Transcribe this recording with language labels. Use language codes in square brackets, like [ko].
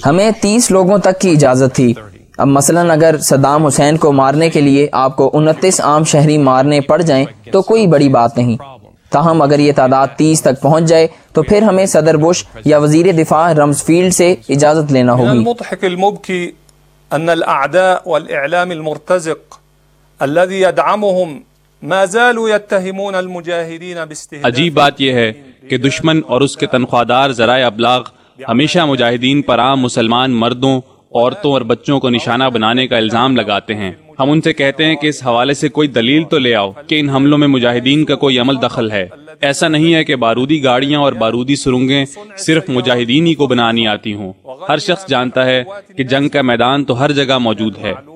[ur] ہمیں 30 لوگوں تک کی اجازت تھی۔ اب مثلا اگر صدام حسین کو مارنے کے لیے آپ کو 29 عام شہری مارنے پڑ جائیں تو کوئی بڑی بات نہیں، تاہم اگر یہ تعداد 30 تک پہنچ جائے تو پھر ہمیں صدر بش یا وزیر دفاع رمز فیلڈ سے اجازت لینا ہوگی۔ [ar] المضحك المبكي ان الاعداء والاعلام المرتزق الذي يدعمهم ما زالوا يتهمون المجاهدين باستهداف۔ [ur] عجیب بات یہ ہے کہ دشمن اور اس کے تنخواہ دار ذرائع ابلاغ ہمیشہ مجاہدین پر عام مسلمان مردوں، عورتوں اور بچوں کو نشانہ بنانے کا الزام لگاتے ہیں۔ ہم ان سے کہتے ہیں کہ اس حوالے سے کوئی دلیل تو لے آؤ کہ ان حملوں میں مجاہدین کا کوئی عمل دخل ہے۔ ایسا نہیں ہے کہ بارودی گاڑیاں اور بارودی سرنگیں صرف مجاہدین ہی کو بنانی آتی ہوں۔ ہر شخص جانتا ہے کہ جنگ کا میدان تو ہر جگہ موجود ہے،